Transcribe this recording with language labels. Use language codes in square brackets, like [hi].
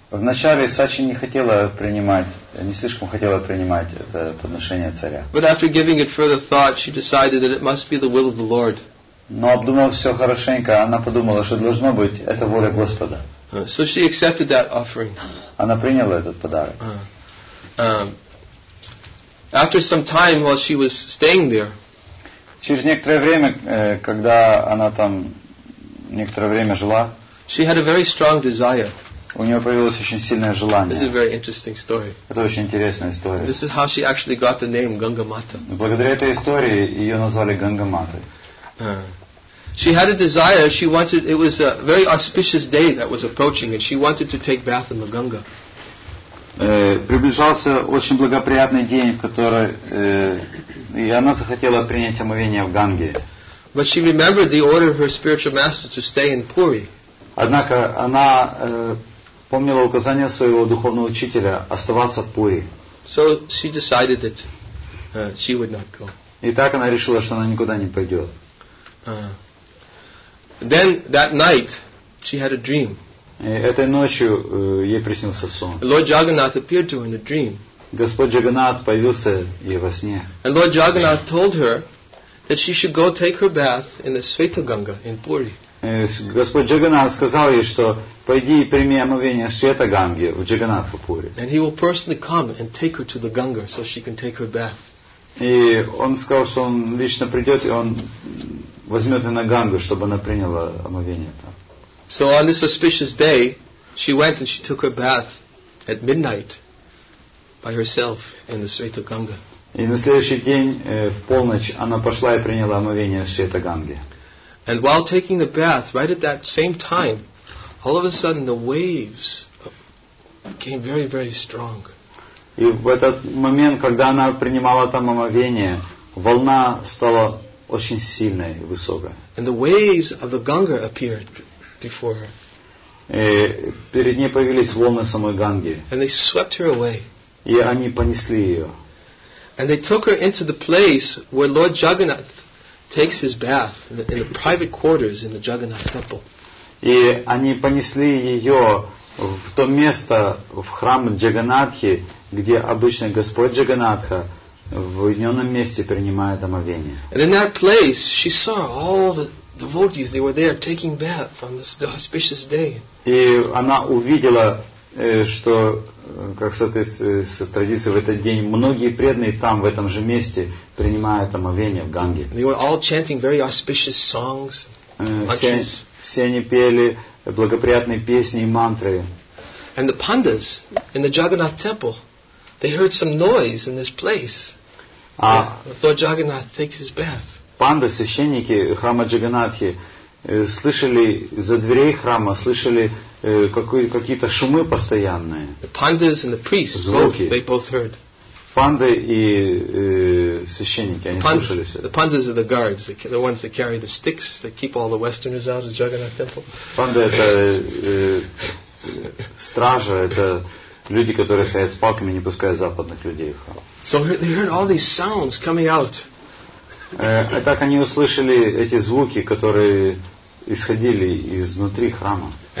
[ru] Вначале Сачи не хотела принимать, не слишком хотела принимать это подношение царя. [en] But after giving it further thought, she decided that it must be the will of the Lord. [ru] Но обдумав все хорошенько, она подумала, что должно быть это воля Господа. [en] So she accepted that offering. [ru] Она приняла этот подарок. [en] After some time, while she was staying there, [ru] через некоторое время, когда она там некоторое время жила, [en] she had a very strong desire. [ru] У нее появилось очень сильное желание. [en] This is a very interesting story. [ru] Это очень интересная история. [en] This is how she actually got the name Ganga Mata. [ru] Благодаря этой истории ее назвали Гангаматой. [en] She had a desire. She wanted. It was a very auspicious day that was approaching, and she wanted to take bath in the Ganga. [ru] Приближался очень благоприятный день, в который и она захотела принять омовение в Ганге. [en] But she remembered the order of her spiritual master to stay in Puri. [ru] Однако она помнила указание своего духовного учителя оставаться в Пури. [en] So she decided that she would not go. [ru] И так она решила, что она никуда не пойдет. [en] Then that night she had a dream. [ru] Этой ночью ей приснился сон. [en] Lord Jagannath appeared to her in a dream. [ru] Господь Джагнатх появился ей во сне. [en] And Lord Jagannath told her that she should go take her bath in the Sveta Ganga in Puri. [ru] Господь Джагнатх сказал ей, что пойди и прими омовение в Света Ганге в Джагнатху Пури. [en] And he will personally come and take her to the Ganga so she can take her bath. [ru] И он сказал, что он лично придет и он возьмет ее на Гангу, чтобы она приняла омовение там. [en] So on this auspicious day, she went and she took her bath at midnight by herself in the Sveta Ganga. [ru] И на следующий день в полночь она пошла и приняла омовение в Света Ганге. [en] And while taking the bath, right at that same time, all of a sudden the waves became very, very strong. [ru] И в этот момент, когда она принимала там омовение, волна стала очень сильной, высокой. [en] And the waves of the Ganga appeared. Before [ru] перед ней появились волны самой Ганги. [en] And they swept her away. [ru] И они понесли ее. [en] And they took her into the place where Lord Jagannath takes his bath in the private quarters in the Jagannath temple. [ru] И они понесли ее в то место в храм Джаганнатхи, где обычно Господь Джаганнатха в уединенном месте принимает омовение. [en] And in that place, she saw all the devotees, they were there taking bath on this auspicious day. [ru] И она увидела, что, как соответствует традиции, в этот день многие преданные там в этом же месте принимают омовение в Ганге. [en] They were all chanting very auspicious songs. [ru] Все они пели благоприятные песни и мантры. [en] And the pandas in the Jagannath temple, they heard some noise in this place. Thought Jagannath takes his bath. [ru] Панды, священники храма Джаганнатхи, слышали за дверей храма, слышали какие-то шумы постоянные. [en] The pandas and the priests, [ru] звуки. [en] They both heard. [ru] Панды и священники, они слышали все. [en] The pandas are the guards, the ones that carry the sticks, that keep all the westerners out of Jagannath temple. [ru] Панды это стража, это люди, которые стоят с палками, не пускают западных людей в храм. [en] So they heard all these sounds coming out. [ru] И так они услышали эти звуки, которые исходили изнутри храма.